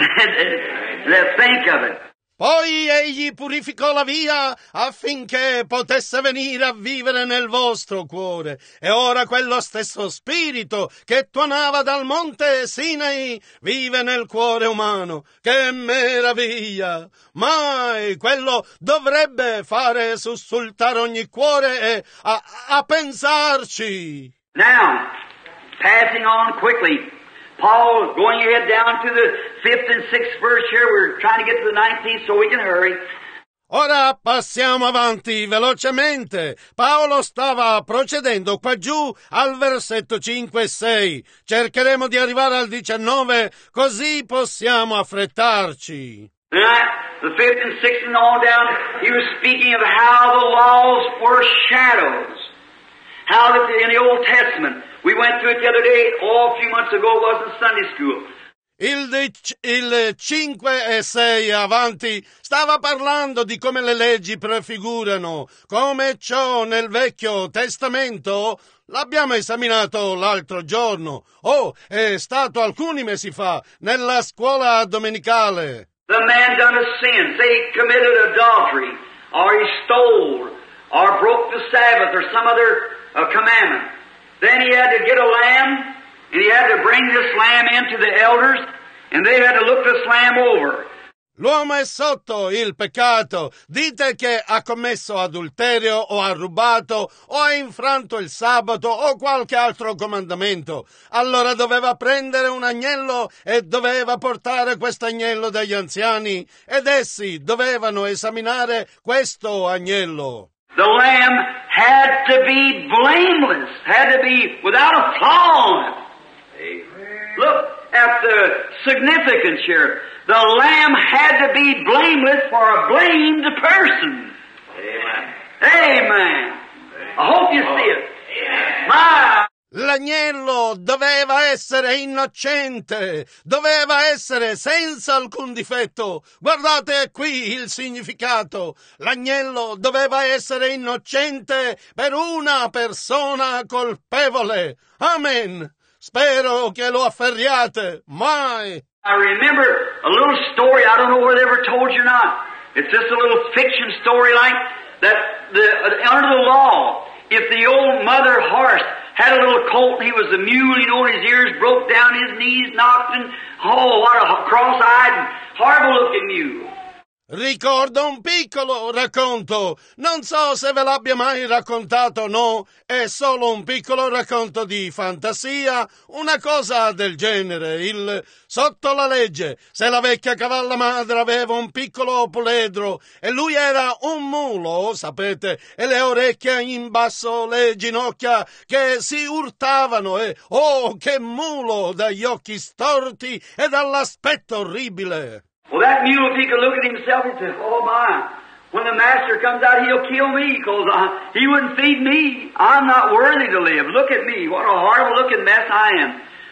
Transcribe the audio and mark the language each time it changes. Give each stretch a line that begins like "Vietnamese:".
English: Let's think of it.
Italian: Poi egli purificò la via affinché potesse venire a vivere nel vostro cuore. E ora quello stesso spirito che tuonava dal monte Sinai vive nel cuore umano. Che meraviglia! Mai quello dovrebbe fare sussultare ogni cuore e a pensarci.
English: Now, passing on quickly. Paul going ahead down to the 5th and 6th verse here. We're trying to get to the 19th so we can hurry.
Italian: Ora passiamo avanti velocemente. Paolo stava procedendo qua giù al versetto 5 e 6. Cercheremo di arrivare al 19 così possiamo affrettarci.
English: The 5th and 6th and all down, he was speaking of how the laws were shadows. How that in the Old Testament. We went to it the other day, all a few months ago, was in Sunday school.
Italian: Il 5 e 6 avanti stava parlando di come le leggi prefigurano, come ciò nel Vecchio Testamento l'abbiamo esaminato l'altro giorno. Oh, è stato alcuni mesi fa, nella scuola domenicale.
English: The man done a sin, say he committed adultery, or he stole, or broke the Sabbath, or some other commandment. Then he had to get a lamb, and he had to bring this lamb in to the elders, and they had to look this lamb over.
Italian: L'uomo è sotto il peccato. Dite che ha commesso adulterio, o ha rubato, o ha infranto il sabato, o qualche altro comandamento. Allora doveva prendere un agnello e doveva portare questo agnello dagli anziani, ed essi dovevano esaminare questo agnello.
English: The lamb had to be blameless, had to be without a flaw. Amen. Look at the significance here. The lamb had to be blameless for a blamed person. Amen. Amen. I hope you see it. Amen. My.
Italian: L'agnello doveva essere innocente, doveva essere senza alcun difetto. Guardate qui il significato. L'agnello doveva essere innocente per una persona colpevole. Amen. Spero che lo afferriate. Mai.
English: I remember a little story, I don't know whether I ever told you or not. It's just a little fiction story like that under the law, if the old mother horse had a little colt, he was a mule, you know, his ears broke down, his knees knocked, and oh, what a cross-eyed, horrible-looking mule.
Italian: Ricordo un piccolo racconto. Non so se ve l'abbia mai raccontato o no. È solo un piccolo racconto di fantasia, una cosa del genere. Il sotto la legge, se la vecchia cavalla madre aveva un piccolo puledro e lui era un mulo, sapete, e le orecchie in basso, le ginocchia che si urtavano e oh, che mulo dagli occhi storti e dall'aspetto orribile.
English: Well, that mule, if he could look at himself, he'd say, oh, my, when the master comes out, he'll kill me, because he wouldn't feed me. I'm not worthy to live. Look at me. What a horrible-looking mess I am.